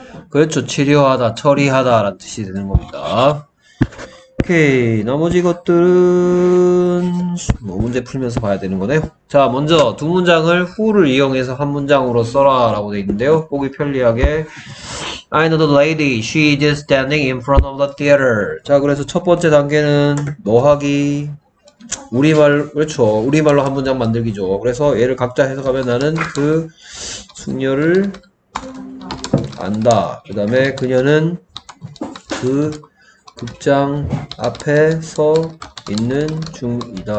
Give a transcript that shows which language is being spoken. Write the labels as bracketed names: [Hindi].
[Korean] 그렇죠. 치료하다, 처리하다 라는 뜻이 되는 겁니다. 오케이. 나머지 것들은 뭐 문제 풀면서 봐야 되는 거네요. 자, 먼저 두 문장을 who를 이용해서 한 문장으로 써라 라고 돼 있는데요. 보기 편리하게 [English] I know the lady. She is standing in front of the theater. [Korean] 자, 그래서 첫 번째 단계는 노하기. 우리말, 그렇죠. 우리말로 한 문장 만들기죠. 그래서 얘를 각자 해석하면 나는 그 숙녀를 안다. 그 다음에 그녀는 그 극장 앞에 서 있는 중이다.